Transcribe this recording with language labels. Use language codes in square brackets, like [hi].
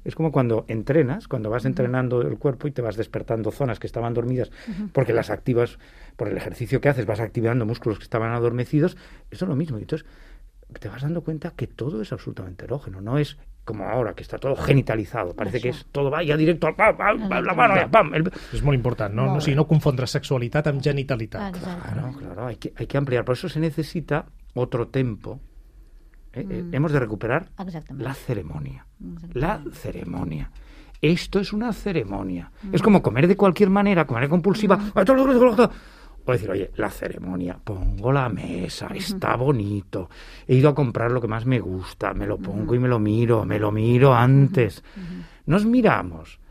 [es] Es como cuando entrenas, cuando vas entrenando el cuerpo y te vas despertando zonas que estaban dormidas, porque las activas, por el ejercicio que haces, vas activando músculos que estaban adormecidos. Eso es lo mismo. Y entonces, te vas dando cuenta que todo es absolutamente erógeno. No es como ahora, que está todo genitalizado. Parece que es todo vaya directo al pam, pam, pam, la mano, pam. [ca] Es molt important, no? O sigui, no confondre sexualitat amb genitalitat. [es] Claro, claro. Hay que ampliar. Por eso se necesita otro tempo. Hemos de recuperar la ceremonia. La ceremonia. Esto es una ceremonia. Es como comer de cualquier manera, comer compulsiva. O decir, oye, la ceremonia, pongo la mesa, está bonito, he ido a comprar lo que más me gusta, me lo pongo y me lo miro antes. Nos miramos.